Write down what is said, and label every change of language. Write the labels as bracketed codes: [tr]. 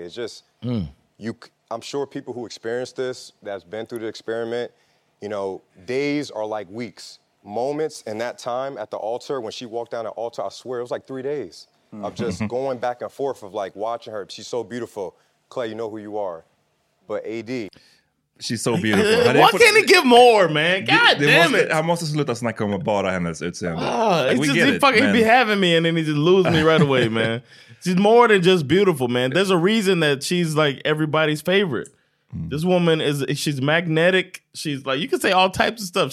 [en] It's just, I'm sure people who experienced this, that's been through the experiment, you know, days are like weeks. Moments in that time at the altar, when she walked down the altar, I swear it was like 3 days of just going back and forth of like watching her. She's so beautiful. Clay, you know who you are. But AD. She's so beautiful. Why can't he give more, man? God damn it. [sv] Han måste sluta snacka om bara hennes utseende. [en] He be having me and then he just lose me right away, man. She's more than just beautiful, man. There's a reason that she's like everybody's favorite. This woman she's magnetic. She's like, you can say all types of stuff.